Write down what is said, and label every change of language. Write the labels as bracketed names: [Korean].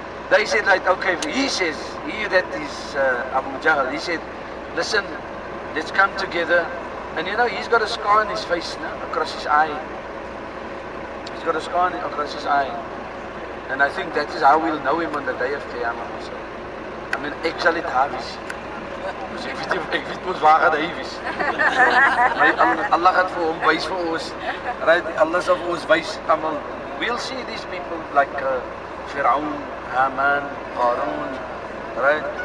[English] They said, like, okay, he, Abu Jahl, he said, listen, let's come together. And you know, he's got a scar on his face, no? Across his eye. He's got a scar across his eye. And I think that is how we'll know him on the day of Qiyamah. So, I mean, actually, Davis. [Afrikaans] Ek weet mos waar gaan hy wees. Allah gaan vir hom wys vir ons. Right? Allah sal vir ons wys. [English] We'll see these people like Firaun, Haman, Qarun, right?